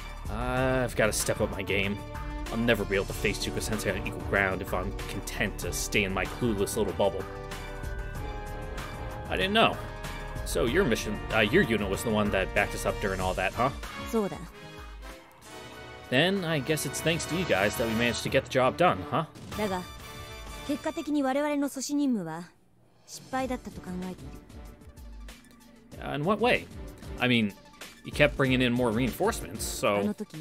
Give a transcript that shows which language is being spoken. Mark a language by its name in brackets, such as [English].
[English] I've got to step up my game. I'll never be able to face Tsuka-sensei on equal ground if I'm content to stay in my clueless little bubble. I didn't know. So your mission, your unit was the one that backed us up during all that, huh? [Japanese] そうだ. [English] Then I guess it's thanks to you guys that we managed to get the job done, huh? [Japanese] だが、結果的に我々の阻止任務は失敗だったと考えている。 [English] In what way? I mean, you kept bringing in more reinforcements, so...